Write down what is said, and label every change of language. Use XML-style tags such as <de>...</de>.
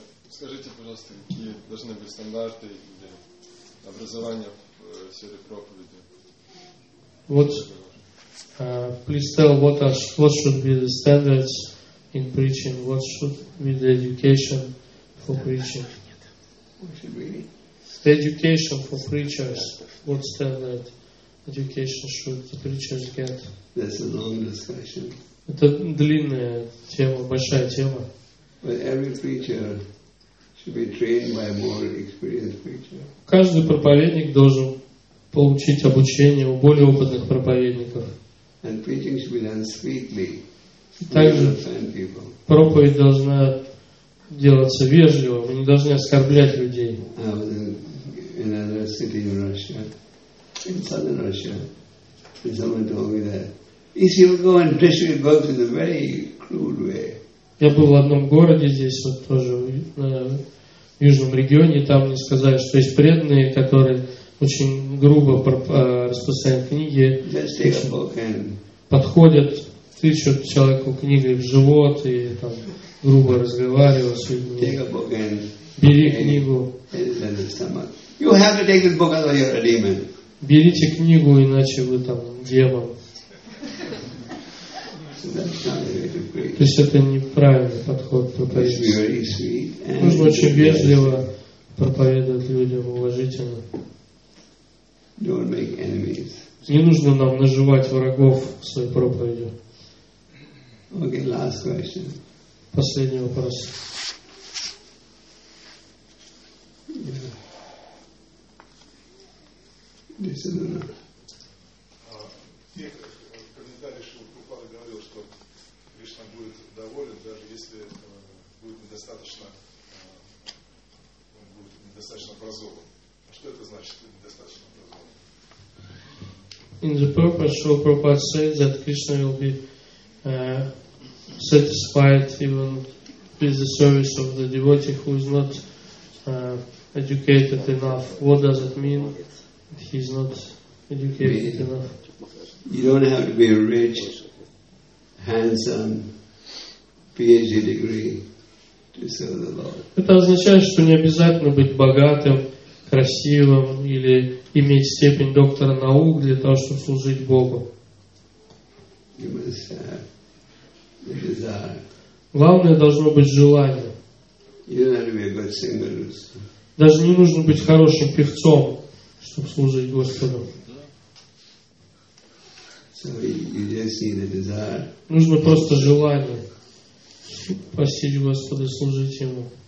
<ru>Скажите, пожалуйста, какие должны быть стандарты для образования в сфере проповеди?</ru> <en>What, please tell what should be the standards in preaching? What should be the education for preaching? What should be? Education for preachers. What standard education should the preachers get? That's a long discussion.</en> <ru>Это длинная тема, большая тема.</ru> <en>But every preacher should be trained by a more experienced preacher.</en> <ru>Каждый проповедник должен получить обучение у более опытных проповедников.</ru> <en>And preaching should be done sweetly.</en> <ru>Также проповедь должна делаться вежливо. Мы не должны оскорблять людей.</ru> <en>In another city in Russia, in southern Russia, and someone told me that if you go and preach your book in a very crude way.</en> <ru>Я был в одном городе здесь, вот тоже в южном регионе, там мне сказали, что есть преданные, которые очень грубо распространяют книги, подходят, тычут человеку книгой в живот и там грубо разговаривают с людьми. Бери книгу.</ru> <en>You have to take this book otherwise you're a demon.</en> <ru>Берите книгу, иначе вы там демон. То есть это неправильный подход к проповеди. Нужно очень вежливо проповедовать людям, уважительно. Не нужно нам наживать врагов в своей проповеди.</ru> <en>Okay, last question.</en> <ru>Последний вопрос.</ru> <en>Yeah.</en> <ru>будет доволен, даже если будет недостаточно, он будет недостаточно образован. Что это значит, недостаточно образован?</ru> <en>In the purpose, Шрила Прабхупада said that Krishna will be satisfied even with the service of the devotee who is not educated enough. What does it mean? He's not educated enough. You don't have to be rich, handsome, PhD degree to serve the Lord.</en> <ru>Это означает, что не обязательно быть богатым, красивым или иметь степень доктора наук для того, чтобы служить Богу.</ru> <en>You must have the desire.</en> <ru>Главное должно быть желание.</ru> <en>You don't have to be a good singer.</en> <ru>Даже не нужно быть хорошим певцом, чтобы служить Господу.</ru> <en>So you just need a desire.</en> <ru>Нужно просто желание посетить Господа и служить Ему.</ru>